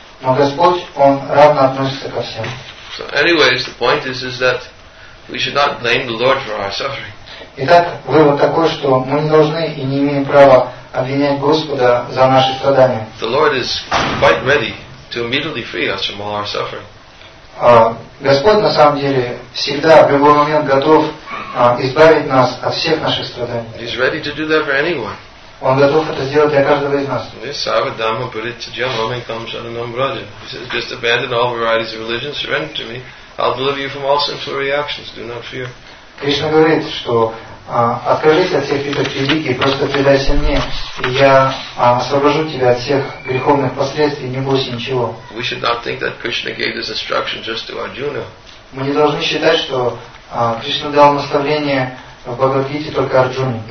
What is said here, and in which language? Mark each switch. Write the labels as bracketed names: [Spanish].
[Russian] Но Господь, Он равно относится ко всем. [English] So anyways, the point is that we should not blame the Lord for our suffering. [Russian] Итак, вывод такой, что мы не должны и не имеем права обвинять Господа за наши страдания. [English] The Lord is quite ready to immediately free us from all our suffering. [Russian] Господь на самом деле всегда в любой момент готов избавить нас от всех наших страданий. [English] He's ready to do that for anyone. [Russian] Он готов это сделать для каждого из нас. This Savadama Buddhitajam Kamsanam Raja. [English] He says, just abandon all varieties of religion, surrender to me. I'll deliver you from all sinful reactions. Do not fear. [Russian] Кришна говорит, что откажись от всех видов религии, просто предайся мне, и я освобожу тебя от всех греховных последствий, не бойся ничего. [English] We should not think that Krishna gave this instruction just to Arjuna. [Russian] Мы не должны считать, что Кришна дал наставление в Бхагавад-гите только Арджуне.